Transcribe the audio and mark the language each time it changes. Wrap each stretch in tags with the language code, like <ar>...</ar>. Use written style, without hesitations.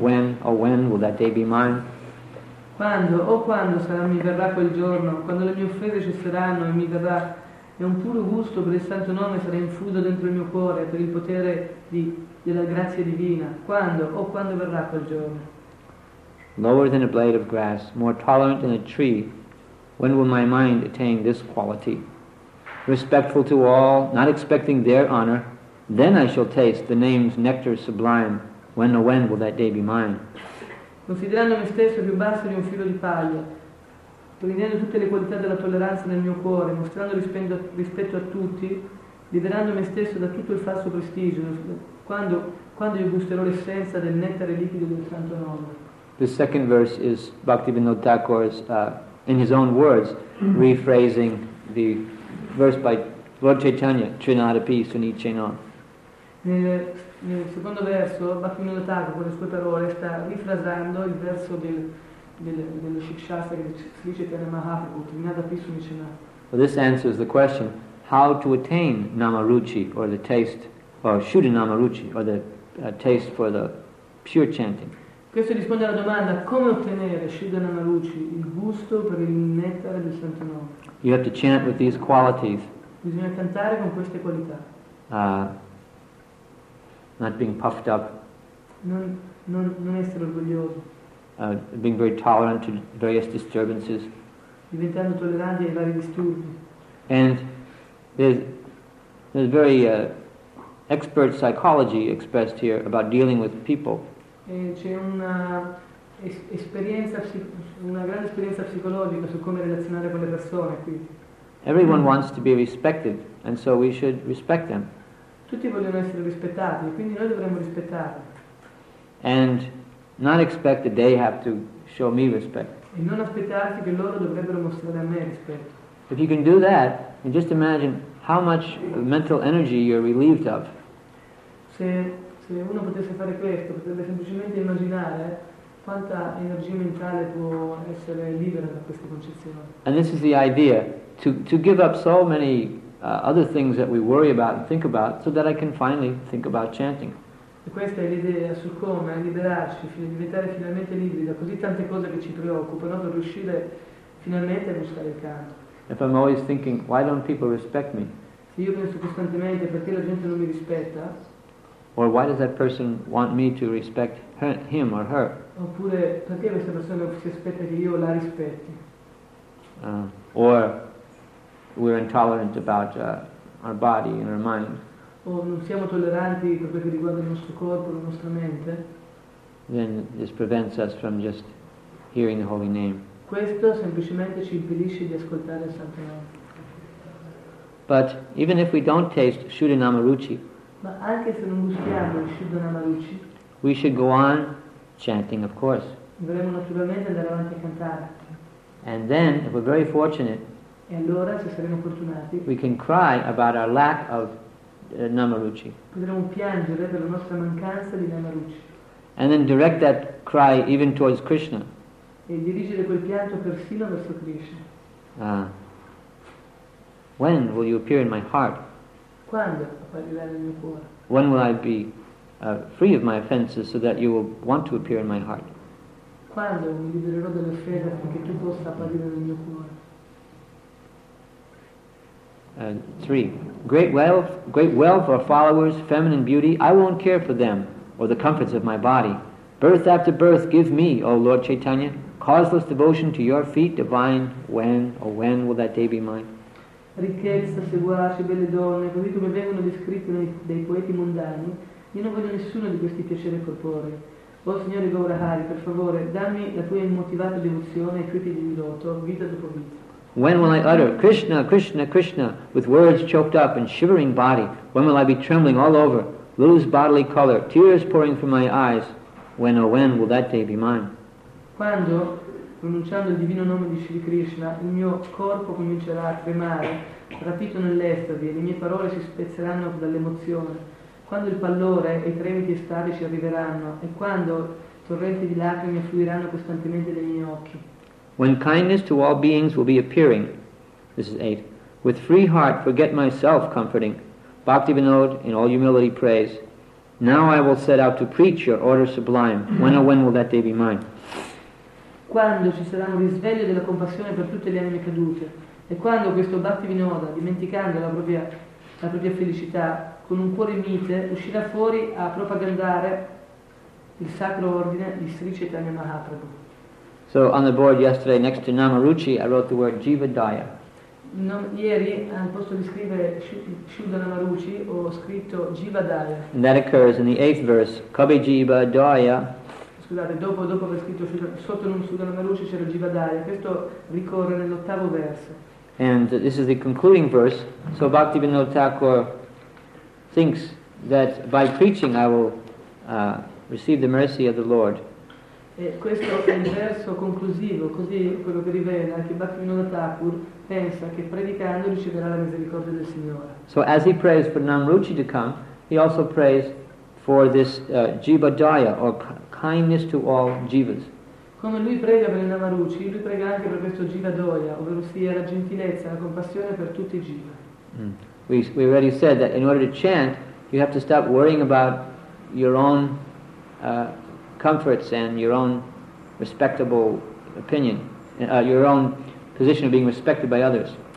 <en>When, oh when, will that day be mine?</en> <it>Quando, oh quando, sarà mi verrà quel giorno, quando le mie offese cesseranno e mi verrà, e un puro gusto per il santo nome sarà infuso dentro il mio cuore per il potere della grazia divina. Quando, oh quando verrà quel giorno?</it> <en>Lower than a blade of grass, more tolerant than a tree, when will my mind attain this quality? Respectful to all, not expecting their honor, then I shall taste the name's nectar sublime. When, oh when, will that day be mine?</en> <it>Considerando me stesso più basso di un filo di paglia, prendendo tutte le qualità della tolleranza nel mio cuore, mostrando rispetto a tutti, liberando me stesso da tutto il falso prestigio, quando io gusterò l'essenza del nettare liquido del santo nome.</it> <en>The second verse is Bhaktivinoda Thakur's, in his own words, rephrasing the verse by Lord Chaitanya, Trinadapi Sunichena.</en> <it>Nel secondo verso, Bhaktivinoda Thakur con le sue parole sta rifrasando il verso dello Shikshastra che si dice Tena Mahaprabhu, Trinadapi Sunichena.</it> <en>Well, this answers the question, how to attain Namaruchi or the taste, or Shuddha Namaruchi, or the taste for the pure chanting.</en> <it>Questo risponde alla domanda, come ottenere Shuddha Namaruchi, il gusto per il nettare del Santo Nome.</it> <en>You have to chant with these qualities.</en> <it>Bisogna cantare con queste qualità.</it> <en>Not being puffed up.</en> <it>Non essere orgoglioso.</it> <en>Being very tolerant to various disturbances.</en> <it>Diventando tolleranti ai vari disturbi.</it> <en>And there's very expert psychology expressed here about dealing with people.</en> <it>E c'è una grande esperienza psicologica su come relazionare con le persone qui.</it> <en>Everyone wants to be respected, and so we should respect them.</en> <it>Tutti vogliono essere rispettati, quindi noi dovremmo rispettarli.</it> <en>And not expect that they have to show me respect.</en> <it>e non aspettarsi che loro dovrebbero mostrare a me rispetto.</it> <en>If you can do that, and just imagine how much mental energy you're relieved of.</en> <it>Se uno potesse fare questo, potrebbe semplicemente immaginare quanta energia mentale può essere libera da queste concezioni.</it> <en>And this is the idea, to give up so many other things that we worry about and think about, so that I can finally think about chanting.</en> <it>E questa è l'idea su come liberarci, diventare finalmente liberi da così tante cose che ci preoccupano, per riuscire finalmente a buscare il canto.</it> <en>If I'm always thinking, why don't people respect me?</en> <it>Se io penso costantemente, perché la gente non mi rispetta?</it> <en>Or why does that person want me to respect him or her?</en> <it>Oppure perché questa persona si aspetta che io la rispetti?</it> <en>Or we're intolerant about our body and our mind.</en> <it>O non siamo tolleranti per quello che riguarda il nostro corpo, la nostra mente.</it> <en>Then this prevents us from just hearing the holy name.</en> <it>Questo semplicemente ci impedisce di ascoltare il Santo Nome.</it> <en>But even if we don't taste Shuddha Namaruchi,</en> <it>ma anche se non gustiamo il Shuddha Namaruchi,</it> <en>we should go on chanting, of course.</en> <it>Dovremmo naturalmente andare avanti a cantare.</it> <en>And then, if we're very fortunate,</en> <it>e allora, se saremo fortunati,</it> <en>we can cry about our lack of Namaruchi.</en> <it>Potremmo piangere per la nostra mancanza di Namaruchi.</it> <en>And then direct that cry even towards Krishna.</en> <it>E dirigere quel pianto persino verso Krishna.</it> <en>When will you appear in my heart?</en> <it>Quando apparirà nel mio cuore?</it> <en>When will I be free of my offenses so that you will want to appear in my heart?</en> <it>Quando mi libererò delle offese affinché tu possa apparire nel mio cuore?</it> <en>3. Great wealth or followers, feminine beauty, I won't care for them or the comforts of my body. Birth after birth, give me, O Lord Chaitanya, causeless devotion to your feet, divine, when will that day be mine?</en> <it>Ricchezza, seguaci, belle donne, così come vengono descritte dai poeti mondani, io non voglio nessuno di questi piaceri corporei. O Signore Gaurahari, per favore, dammi la tua immotivata devozione ai fruiti di loto, vita dopo vita.</it> <en>When will I utter Krishna, Krishna, Krishna, with words choked up and shivering body? When will I be trembling all over, lose bodily color, tears pouring from my eyes? When, oh when, will that day be mine?</en> <it>Quando, pronunciando il divino nome di Sri Krishna, il mio corpo comincerà a tremare, rapito nell'estasi, e le mie parole si spezzeranno dall'emozione. Quando il pallore e i tremiti estatici arriveranno, e quando torrenti di lacrime affluiranno costantemente dai miei occhi.</it> <en>When kindness to all beings will be appearing, this is 8, with free heart forget myself comforting, Bhakti Vinod in all humility prays, now I will set out to preach your order sublime. When, oh when, will that day be mine?</en> <it>Quando ci sarà un risveglio della compassione per tutte le anime cadute, e quando questo Bhakti Vinoda, dimenticando la propria felicità, con un cuore mite, uscirà fuori a propagandare il sacro ordine di Sri Chaitanya Mahaprabhu.</it> <en>So on the board yesterday, next to Namaruchi, I wrote the word Jivadaya.</en> <it>No, ieri, al posto di scrivere Shuddha Namaruchi, ho scritto Jivadaya.</it> <en>And that occurs in the 8th verse, Kabi Jivadaya.</en> <it>Scusate, dopo aver scritto sotto Shuddha Namaruchi c'era Jivadaya. Questo ricorre nell'ottavo verso.</it> <en>And this is the concluding verse. So Bhaktivinoda Thakur thinks that by preaching I will receive the mercy of the Lord.</en> <it>E questo è il verso conclusivo, così quello che rivela che Bhaktivinoda Thakur pensa che predicando riceverà la misericordia del Signore.</it> <en>So as he prays for Namaruchi to come, he also prays for this Jivadaya, or kindness to all jivas.</en> <it>Come lui prega per Namaruchi, lui prega anche per questo Jivadaya, ovvero sia la gentilezza, la compassione per tutti i jiva.</it> <en>We already said that in order to chant, you have to stop worrying about your own comforts and your own respectable opinion, your own position of being respected by others.</en>